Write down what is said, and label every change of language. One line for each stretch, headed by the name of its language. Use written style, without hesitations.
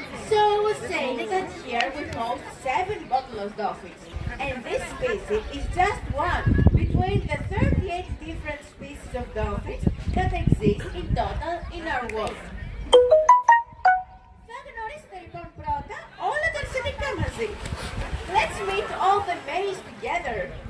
English: So we say that here we hold seven bottlenose dolphins, and this species is just one between the 38 different species of dolphins that exist in total in our world.
Greek: Θα γνωρίσετε λοιπόν πρώτα όλα τα αρσενικά μαζί.
English: Let's meet all the males together.